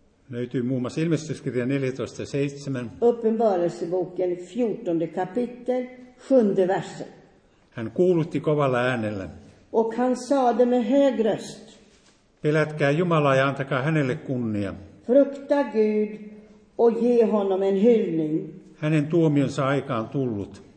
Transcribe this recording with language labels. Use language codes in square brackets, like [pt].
[fi] Löytyy muun muassa ilmestyskirja 14:7. [sv] Uppenbarelseboken 14 kapitel 7 versen. [fi] Hän kuulutti kovalla äänellä. [sv] Och han sade med hög röst. [fi] Pelätkää Jumalaa ja antakaa hänelle kunnia. [sv] Frukta Gud och ge honom en hyllning. [fi] Hänen tuomionsa aikaan tullut.